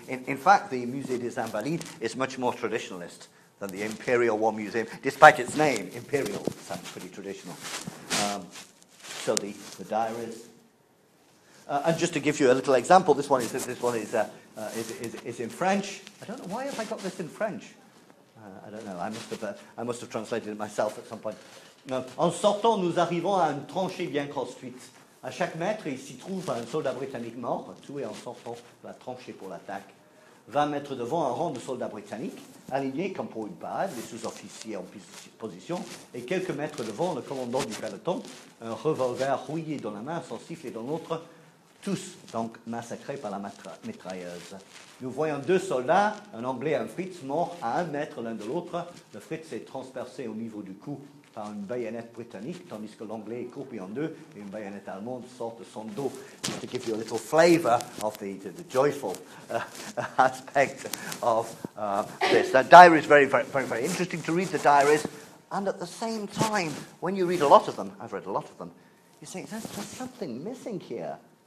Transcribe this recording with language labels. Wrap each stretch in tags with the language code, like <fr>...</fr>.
<en>In fact, the Musée des Invalides is much more traditionalist than the Imperial War Museum, despite its name. Imperial sounds pretty traditional. So the diaries, and just to give you a little example, this one is in French. I don't know why have I got this in French. I don't know. I must have translated it myself at some point.</en> <fr>En sortant, nous arrivons à une tranchée bien construite. À chaque mètre, il s'y trouve un soldat britannique mort, tué en sortant de la tranchée pour l'attaque. 20 mètres devant, un rang de soldats britanniques, alignés comme pour une parade, les sous-officiers en position, et quelques mètres devant, le commandant du peloton, un revolver rouillé dans la main, son sifflet dans l'autre, tous donc massacrés par la mitrailleuse. Nous voyons deux soldats, un Anglais et un Fritz, morts à un mètre l'un de l'autre. Le Fritz est transpercé au niveau du cou par une baïonnette britannique, tandis que l'Anglais est coupé en deux, et une baïonnette allemande sort de son dos.</fr> <en>Just to give you a little flavour of the joyful aspect of this. The diary is very, very, very, very interesting to read, the diaries, and at the same time, when you read a lot of them, I've read a lot of them, you say, there's something missing here.</en>